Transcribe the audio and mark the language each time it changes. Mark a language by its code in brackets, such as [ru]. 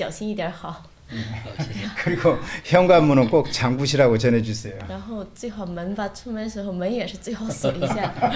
[zh] 还是想说一句话，以后韩国吧也有不太好的人，坐地铁什么时候还是小心一点好。 [ko] 그리고 현관문은 꼭 잠그시라고 전해주세요. [zh] 然后最好门吧，出门时候门也是最好锁一下。